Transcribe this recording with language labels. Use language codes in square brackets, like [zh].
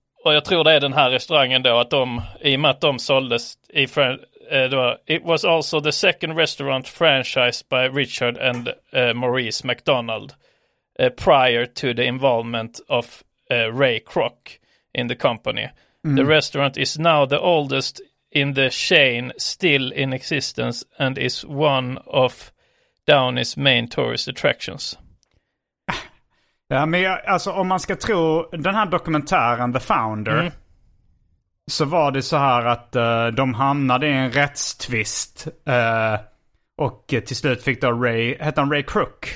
[sv] Och jag tror det är den här restaurangen då, att de, i och med att de såldes i, det var, [en] it was also the second restaurant franchised by Richard and Maurice McDonald prior to the involvement of Ray Kroc in the company. Mm. The restaurant is now the oldest in the chain still in existence and is one of Downey's main tourist attractions. [sv] Ja, men jag, alltså, om man ska tro den här dokumentären The Founder, mm, så var det så här att de hamnade i en rättstvist och till slut fick då Ray, hette han Ray Kroc?